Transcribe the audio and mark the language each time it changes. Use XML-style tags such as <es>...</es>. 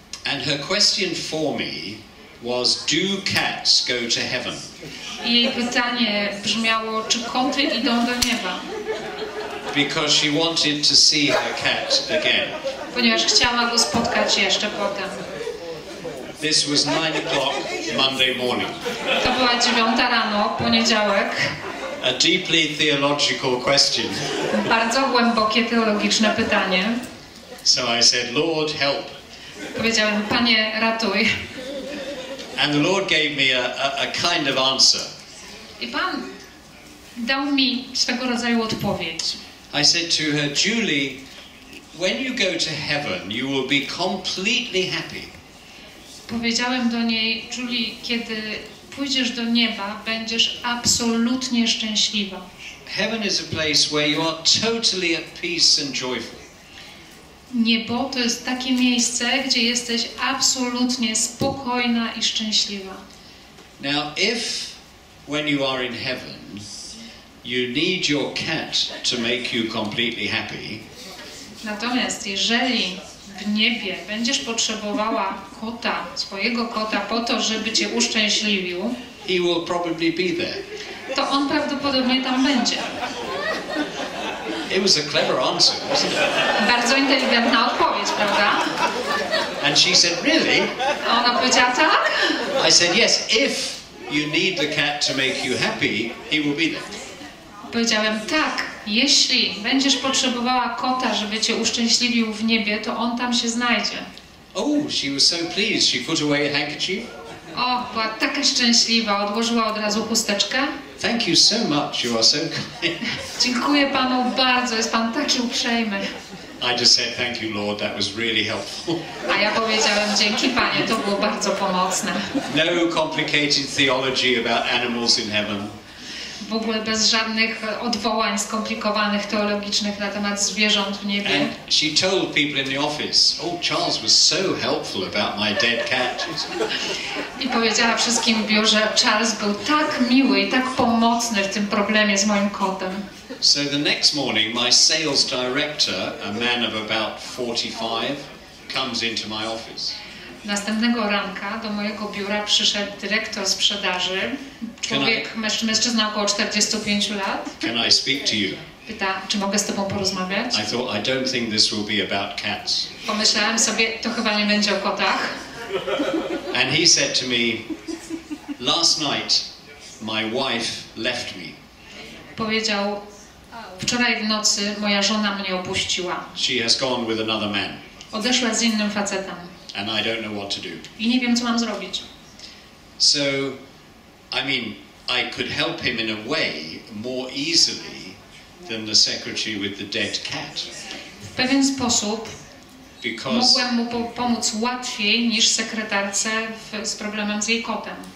<en>And her question for me was, do cats go to heaven?</en> <pl>I jej pytanie brzmiało, czy koty idą do nieba?</pl> <en>Because she wanted to see her cat again.</en> <pl>Ponieważ chciała go spotkać jeszcze potem.</pl> <en>This was 9 o'clock Monday morning.</en> <pl>To była 9 rano, poniedziałek.</pl> <en>A deeply theological question.</en> <pl>Bardzo głębokie teologiczne pytanie.</pl> <en>So I said, Lord, help.</en> <pl>Powiedziałem, Panie, ratuj.</pl> <en>And the Lord gave me a kind of answer.</en> <pl>I Pan dał mi swego rodzaju odpowiedź.</pl> <en>I said to her, Julie, when you go to heaven, you will be completely happy.</en> <pl>Powiedziałem do niej, Julie, kiedy pójdziesz do nieba, będziesz absolutnie szczęśliwa.</pl> <en>Heaven is a place where you are totally at peace and joyful.</en> <pl>Niebo to jest takie miejsce, gdzie jesteś absolutnie spokojna i szczęśliwa.</pl> <en>Now, if when you are in heaven, you need your cat to make you completely happy.</en> <pl>Natomiast jeżeli w niebie będziesz potrzebowała kota, swojego kota po to, żeby cię uszczęśliwił,</pl> <en>he will probably be there.</en> <pl>To on prawdopodobnie tam będzie.</pl> <en>It was a clever answer, wasn't it?</en> <pl>Bardzo inteligentna odpowiedź, prawda?</pl> <en>And she said, really?</en> <pl>A ona powiedziała tak?</pl> <en>I said, yes, if you need the cat to make you happy, he will be there.</en> <pl>Powiedziałem, tak, jeśli będziesz potrzebowała kota, żeby cię uszczęśliwił w niebie, to on tam się znajdzie.</pl> <en>Oh, she was so pleased. She put away a handkerchief.</en> <pl>O, była taka szczęśliwa, odłożyła od razu chusteczkę.</pl> <en>Thank you so much, you are so kind.</en> <pl>Dziękuję panu bardzo, jest pan taki uprzejmy.</pl> <en>I just said, thank you, Lord, that was really helpful.</en> <pl>A ja powiedziałem, dzięki panie, to było bardzo pomocne.</pl> <en>No complicated theology about animals in heaven.</en> <pl>W ogóle bez żadnych odwołań skomplikowanych teologicznych na temat zwierząt w niebie.</pl> <en>And she told people in the office, oh, Charles was so helpful about my dead cat.</en> <pl>I powiedziała wszystkim w biurze, Charles był tak miły i tak pomocny w tym problemie z moim kotem.</pl> <en>So the next morning my sales director, a man of about 45, comes into my office.</en> <pl>Następnego ranka do mojego biura przyszedł dyrektor sprzedaży, człowiek, mężczyzna około 45 lat.</pl> <en>Can I speak to you?</en> <pl>Pyta, czy mogę z tobą porozmawiać?</pl> <en>I thought, I don't think this will be about cats.</en> <pl>Pomyślałem sobie, to chyba nie będzie o kotach.</pl> <en>And he said to me, last night my wife left me.</en> <pl>Powiedział, wczoraj w nocy moja żona mnie opuściła.</pl> <en>She has gone with another man.</en> <pl>Odeszła z innym facetem.</pl> <en>And I don't know what to do.</en> <pl>I nie wiem, co mam zrobić.</pl> <en>So, I mean, I could help him in a way more easily than the secretary with the dead cat.</en> <pl>W pewien sposób mogłem mu pomóc łatwiej niż sekretarce z problemem z jej kotem.</pl>